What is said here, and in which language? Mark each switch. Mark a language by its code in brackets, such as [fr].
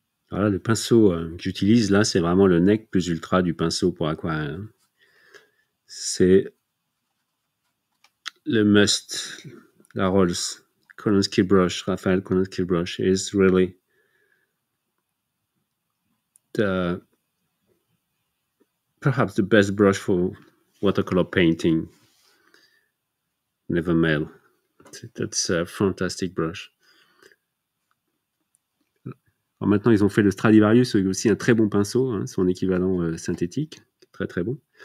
[fr] Voilà, le pinceau que j'utilise là, c'est vraiment le Nec plus Ultra du pinceau pour aquarelle. C'est le Must, la Rolls, [en] Kolonsky Brush, Raphaël Kolonsky Brush, is really the, perhaps the best brush for watercolor painting, never male. That's a fantastic brush. [fr] Alors maintenant, ils ont fait le Stradivarius, qui est aussi un très bon pinceau, hein, son équivalent synthétique, très très bon.